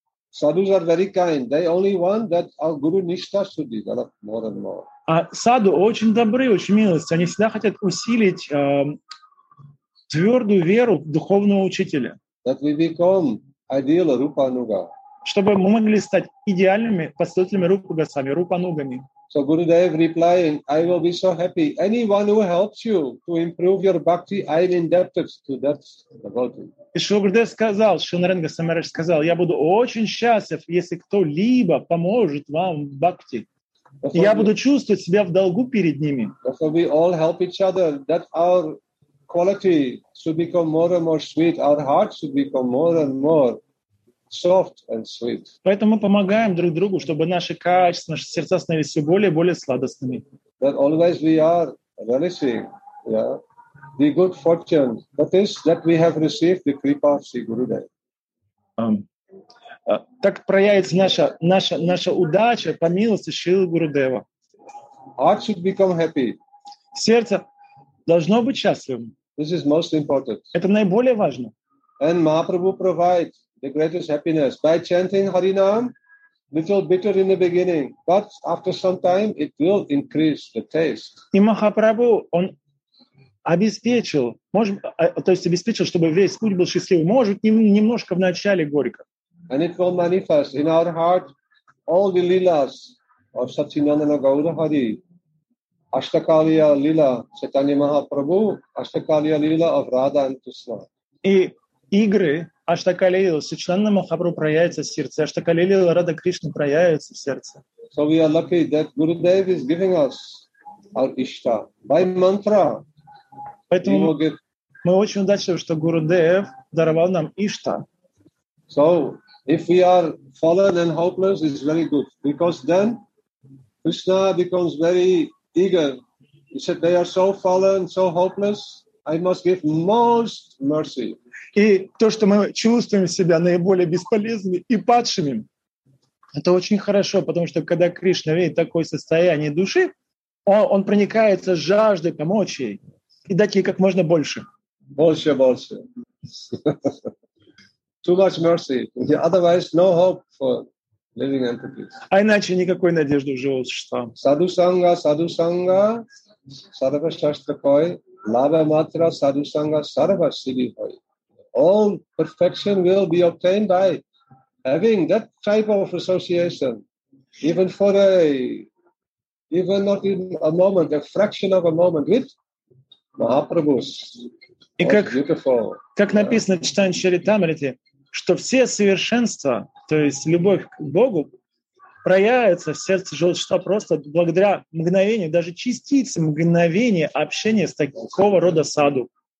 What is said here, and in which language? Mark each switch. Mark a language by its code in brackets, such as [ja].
[en] Sadhus are very kind. They only want that our Guru Nishtha should develop more and more. [ru] А саду очень добры, очень милостивы. Они всегда хотят усилить твердую веру в духовного учителя. [en] That we become ideal Rupa Anuga. [ru] Чтобы мы могли стать идеальными последователями Рупа Госвами, Рупанугами. [en] So Gurudev replying, I will be so happy. Anyone who helps you to improve your bhakti, I am indebted to that devotee. [ru] И Шрила Гурудев сказал, Шонаренга Самарадж сказал, я буду очень счастлив, если кто-либо поможет вам в бхакти. Я буду чувствовать себя в долгу перед ними. [en] So we all help each other, that our quality should become more and more sweet, our heart should become more and more soft and sweet. [ru] Поэтому мы помогаем друг другу, чтобы наши качества, наши сердца становились все более и более сладостными. [en] That always we are relishing, yeah, the good fortune that is that we have received the kripa of Sri Gurudev. [ru] Так проявится наша удача по милости Шрилы Гурудева. [en] Heart should become happy. [ru] Сердце должно быть счастливым. [en] This is most important. [ru] Это наиболее важно. [en] And Mahaprabhu provides the greatest happiness by chanting Harinam, little bitter in the beginning, but after some time it will increase the taste. [ru] И Махапрабху, он обеспечил, может, то есть обеспечил, чтобы весь путь был счастливый. Может, немножко в начале горько. [en] And it will manifest in our heart all the lilas of Satchinandana Gaura Hari, Ashtakalya Lila, Chaitanya Mahaprabhu, Ashtakalya Lila of Radha and Krishna. [ru] И игры Аштакалилы, Сачинанда Махапрабху проявится в сердце, Аштакалилы Радха Кришна проявится в сердце. [en] So we are lucky that Gurudev is giving us our Ishta by mantra. [ru] Поэтому мы очень удачливы, что Гурудев даровал нам Ишта. [en] So if we are fallen and hopeless, it's very good. Because then Krishna becomes very eager. He said, they are so fallen, so hopeless, I must give most mercy. [ru] И то, что мы чувствуем себя наиболее бесполезными и падшими, это очень хорошо, потому что когда Кришна видит такое состояние души, он проникается жаждой помочь ей и дать ей как можно больше. Больше, больше. [en] Too much mercy. Otherwise, no hope for living entities. [ru] А иначе никакой надежды в живом существе. [sa] Садусанга, садусанга, сарвашаштракой, лава матра, садусанга, сарвасивихой. [en] All perfection will be obtained by having that type of association, even for a, even not even a moment, a fraction of a moment with Mahaprabhu. [ru] И как написано в Читании Чаритамрити, что все совершенства, то есть любовь к Богу, проявится в сердце Желчества просто благодаря мгновению, даже частице мгновения общения с такого рода саду.